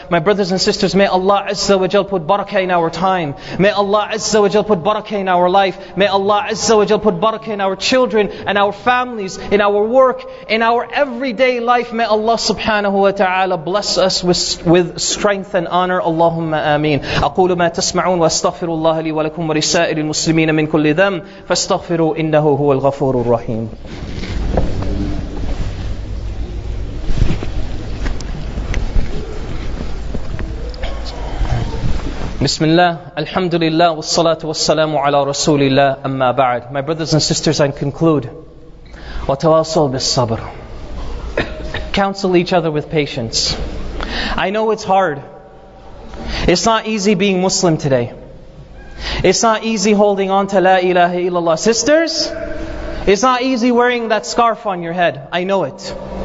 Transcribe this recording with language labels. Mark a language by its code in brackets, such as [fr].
[en] My brothers and sisters, may Allah Azza wa Jal put barakah in our time. May Allah Azza wa Jal put barakah in our life. May Allah Azza wa Jal put barakah in our children and our families, in our work, in our everyday life. May Allah subhanahu wa ta'ala bless us with strength and honor. Allahumma ameen. [ar] أقول ما تسمعون واستغفر الله لي ولكم ولسائر المسلمين من كل ذنب فاستغفروا إنه هو الغفور الرحيم. بسم الله الحمد لله والصلاة والسلام على رسول الله أما بعد. [en] My brothers and sisters, I conclude. [ar] وتواصل بالصبر. [en] Counsel each other with patience. I know it's hard. It's not easy being Muslim today. It's not easy holding on to La ilaha illallah. Sisters, it's not easy wearing that scarf on your head. I know it.